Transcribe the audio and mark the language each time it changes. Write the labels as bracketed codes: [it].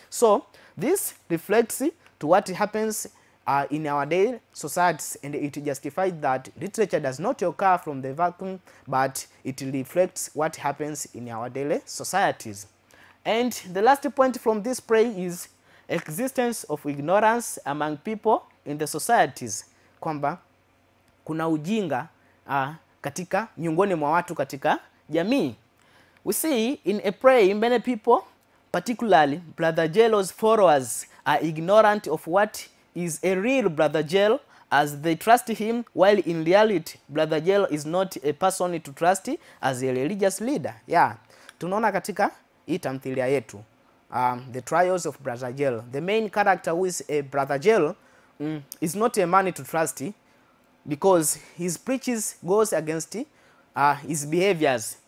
[en] So this reflects to what happens in our daily societies, and it justified that literature does not occur from the vacuum, but it reflects what happens in our daily societies. And the last point from this prey is existence of ignorance among people in the societies. [sw] Kwamba kuna ujinga katika miongoni mwa watu katika jamii. [en] We see in a prey, many people, particularly Brother Jello's followers, are ignorant of what is a real Brother Jell, as they trust him, while in reality Brother Jell is not a person to trust as a religious leader. Yeah, [sw] tunaona katika hii tamthilia yetu, [en] the trials of Brother Jell, the main character who is a Brother Jell is not a man to trust because his preaches goes against his behaviors.